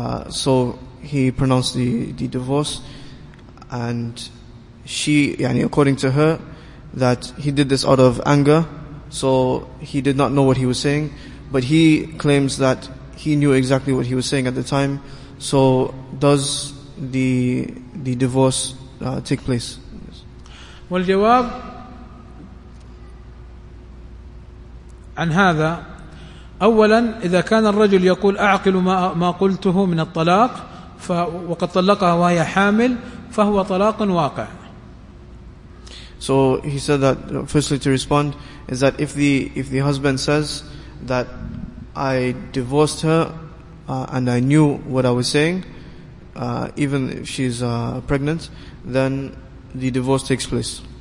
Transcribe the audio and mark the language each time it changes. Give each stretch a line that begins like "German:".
English: so he pronounced the divorce, and she, yani, according to her, that he did this out of anger, so he did not know what he was saying, but he claims that he knew exactly what he was saying at the time. So does the divorce take place?
Arabic: والجواب عن هذا، أولا إذا كان الرجل يقول أعقل ما قلته من الطلاق وقد طلقها وهي حامل فهو طلاق واقع.
English: So he said that firstly to respond is that if the husband says that I divorced her and I knew what I was saying, even if she's pregnant, then the divorce takes place.